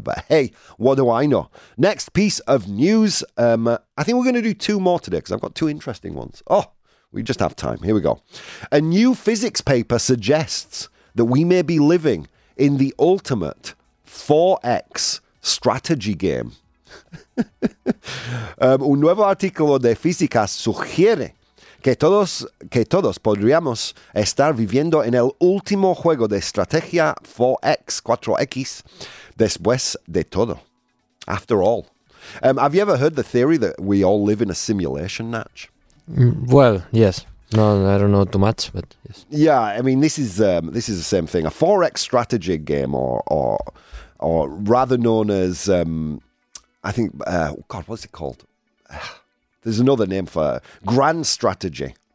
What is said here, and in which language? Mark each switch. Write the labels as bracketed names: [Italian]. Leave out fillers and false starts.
[English] But hey, what do I know? Next piece of news. I think we're going to do two more today because I've got two interesting ones. Oh, we just have time. Here we go. A new physics paper suggests that we may be living in the ultimate 4X strategy game. [Spanish] Un nuevo artículo de física sugiere que todos podríamos estar viviendo en el último juego de estrategia 4X, después de todo. [English] After all. Have you ever heard the theory that we all live in a simulation, Natch? Well, yes. No, I don't know too much, but yes. Yeah, I mean, this is the same thing. A 4X strategy game, or rather known as... I think, God, what's it called? There's another name for grand strategy.